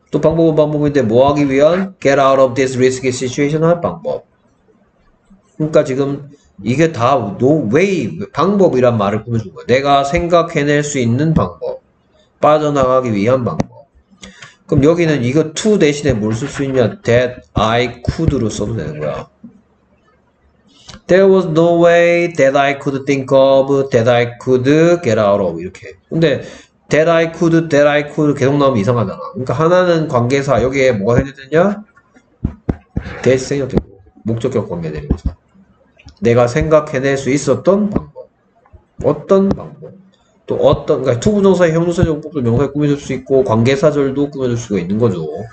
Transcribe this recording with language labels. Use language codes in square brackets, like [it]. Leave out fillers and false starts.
[ko] 또 방법은 방법인데 뭐 하기 위한 [en] get out of this risky situation [ko] 할 방법. 그러니까 지금 이게 다 no way 방법이란 말을 꾸며준 거야. 내가 생각해낼 수 있는 방법, 빠져나가기 위한 방법. 그럼 여기는 이거 to 대신에 뭘쓸수 있냐? [en] that I could [ko] 로 써도 되는 거야. [en] There was no way that I could think of, that I could get out of, [ko] 이렇게. 근데, that I could 계속 나오면 이상하잖아. 그러니까 하나는 관계사, 여기에 뭐가 생겼느냐? that 생겼고, 목적격 관계 되는 거죠. 내가 생각해낼 수 있었던 방법. 어떤 방법. 또 어떤, 그러니까 to 부정사의 형용사적 용법도 명사에 꾸며줄 수 있고, 관계사절도 꾸며줄 수가 있는 거죠.